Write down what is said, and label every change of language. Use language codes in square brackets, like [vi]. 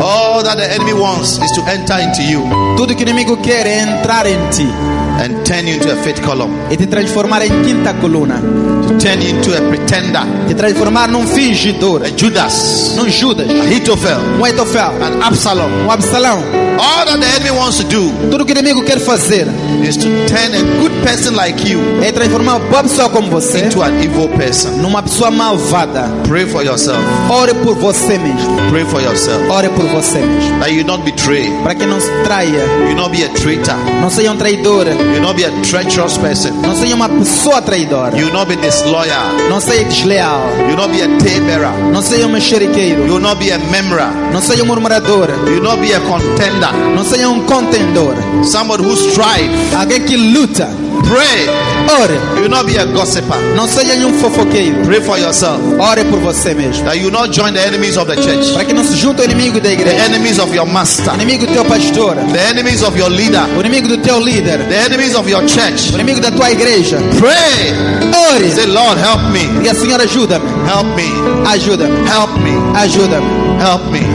[en] All that the enemy wants is to enter into you. [pt] Tudo que o inimigo quer é entrar em ti. [en] And turn you into a faith column. [pt] E te transformar em quinta coluna. [en] To turn you into a pretender. [pt] Te transformar num fingidor. [en] A Judas. [pt] Num Judas. [en] A Ahitofel. [pt] Um Ahitofel. [en] An Absalom. [pt] Um Absalão. [en] All that the enemy wants to do. [pt] Tudo que o inimigo quer fazer. [en] Is to turn a good person like you. [pt] É transformar uma boa pessoa como você. [en] Into an evil person. [pt] Numa pessoa malvada. [en] Pray for yourself. [pt] Ore por você mesmo. [en] Pray for yourself. [pt] Ore por você mesmo. [en] That you not betray. [pt] Para que não se traia. [en] You not be a traitor. [pt] Não seja um traidor. [en] You not be a treacherous person. [pt] Não seja uma pessoa traidora. [en] You not be disloyal. [pt] Não seja desleal. [en] You not be a tale-bearer. [pt] Não seja um mexeriqueiro. [en] You not be a murmurer. [pt] Não seja um murmurador. [en] You not be a contender. [pt] Não seja um contendor. [en] Somebody who strives. [pt] Alguém que luta. [en] Pray. [pt] Ore. [en] You not be a gossiper. [pt] Não seja um fofoqueiro. [en] Pray for yourself. [pt] Ore por você mesmo. [en] That you not join the enemies of the church. [pt] Para que não se junte ao inimigo da igreja. [en] The enemies of your master. [pt] Inimigo do teu pastor. [en] The enemies of your leader. [pt] O inimigo do teu líder. [en] The enemies of your church. [pt] O inimigo da tua igreja. [en] Pray. [pt] Ore. [en] Say, Lord, help me. [pt] E a Senhora, ajuda-me. [en] Help me. [pt] Ajuda-me. [en] Help me. [pt] Ajuda-me. [en] Help me.